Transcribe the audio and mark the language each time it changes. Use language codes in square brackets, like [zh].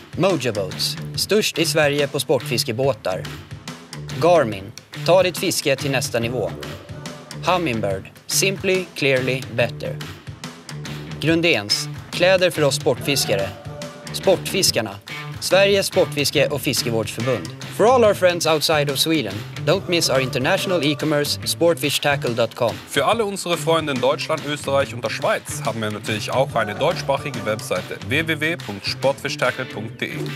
[sv] Mojo Boats, störst i Sverige på sportfiskebåtar. Garmin, ta ditt fiske till nästa nivå. Hummingbird, [en] simply, clearly, better. [sv] Grundens, kläder för oss sportfiskare. Sportfiskarna, Sveriges sportfiske- och fiskevårdsförbund. [en] For all our friends outside of Sweden, don't miss our international e-commerce sportfishtackle.com. [de] Für alle unsere Freunde in Deutschland, Österreich und der Schweiz haben wir natürlich auch eine deutschsprachige Webseite www.sportfishtackle.de.